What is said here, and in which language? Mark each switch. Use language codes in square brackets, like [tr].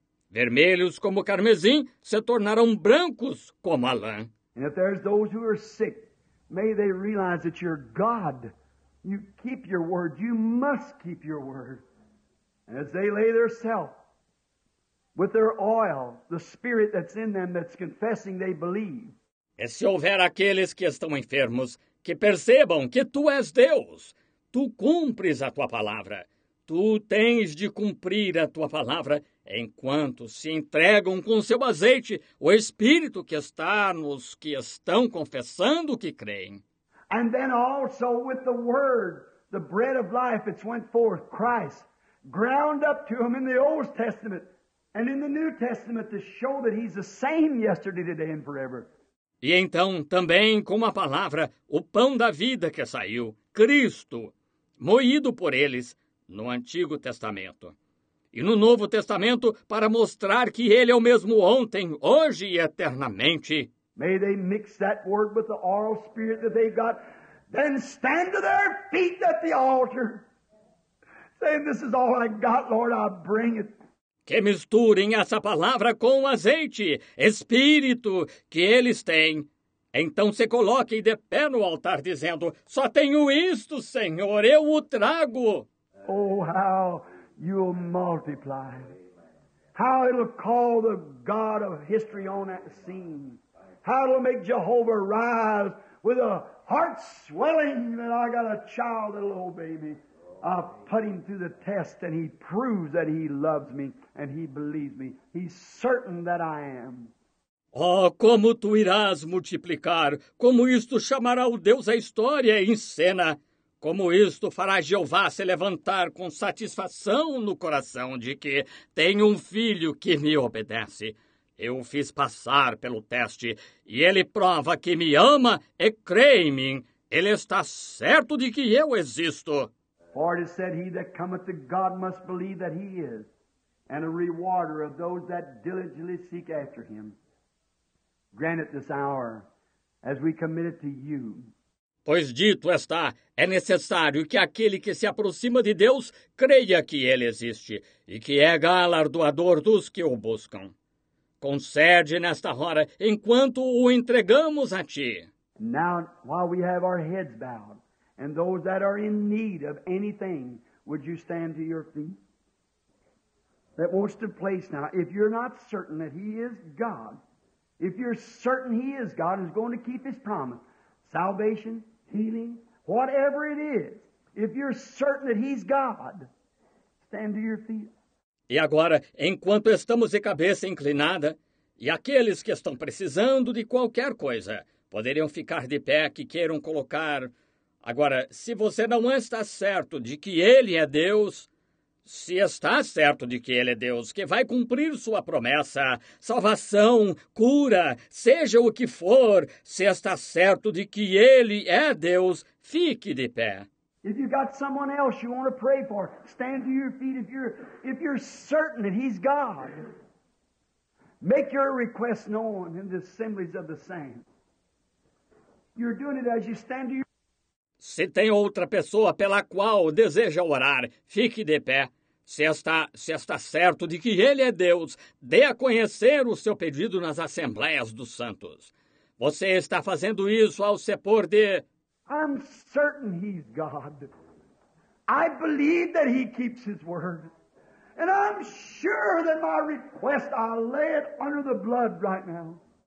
[pt] Vermelhos como carmesim se tornarão brancos como a lã. [en] And if there's those who are sick, may they realize that you're God. You keep your word. You must keep your word. And as they lay their self with their oil, the spirit that's in them that's confessing they believe. [pt] E se houver aqueles que estão enfermos, que percebam que tu és Deus. Tu cumpres a tua palavra. Tu tens de cumprir a tua palavra enquanto se entregam com seu azeite o Espírito que está nos que estão confessando que creem. [en] And then also with the word, the bread of life, it's went forth, Christ, ground up to him in the Old Testament and in the New Testament to show that he's the same yesterday, today and forever. [pt] E então, também com a palavra, o pão da vida que saiu, Cristo, moído por eles no Antigo Testamento. E no Novo Testamento, para mostrar que ele é o mesmo ontem, hoje e eternamente. [en] May they mix that word with the oral spirit that they got, then stand to their feet at the altar, saying, this is all I got, Lord, I'll bring it. [pt] Que misturem essa palavra com o azeite, espírito, que eles têm. Então se coloquem de pé no altar, dizendo, só tenho isto, Senhor, eu o trago. [en] Oh, how you'll multiply. How it'll call the God of history on that scene. How it'll make Jehovah rise with a heart swelling that I got a child, a little baby. I'll put him through the test and he proves that he loves me and he believes me. He's certain that I am. [pt] Oh, como tu irás multiplicar, como isto chamará o Deus à história em cena, como isto fará Jeová se levantar com satisfação no coração de que tem um filho que me obedece. Eu o fiz passar pelo teste e ele prova que me ama e crê em mim. Ele está certo de que eu existo. [en] For it is said, he that cometh to God must believe that he is, and a rewarder of those that diligently seek after him. Grant it this hour, as we commit it to you. [pt] Pois dito está, é necessário que aquele que se aproxima de Deus creia que ele existe, e que é galardoador dos que o buscam. Concede nesta hora, enquanto o entregamos a ti. [en] Now, while we have our heads bowed, and those that are in need of anything, would you stand to your feet? That wants to place now, if you're not certain that he is God, if you're certain he is God and is going to keep his promise, salvation, healing, whatever it is, if you're certain that he's God, stand to your feet. [pt] E agora, enquanto estamos de cabeça inclinada, e aqueles que estão precisando de qualquer coisa, poderiam ficar de pé que queiram colocar... Agora, se você não está certo de que ele é Deus, se está certo de que ele é Deus, que vai cumprir sua promessa, salvação, cura, seja o que for, se está certo de que ele é Deus, fique de pé. [en] If you got someone else you want to pray for, stand to your feet if you're certain that he's God. Make your request known in the assemblies of the saints. You're doing it as you stand to your... [pt] Se tem outra pessoa pela qual deseja orar, fique de pé. Se está certo de que ele é Deus, dê a conhecer o seu pedido nas assembleias dos santos. Você está fazendo isso ao se pôr de... [en] I'm certain he's God. I believe that he keeps his word. And I'm sure that my request, I'll lay it under the blood right now.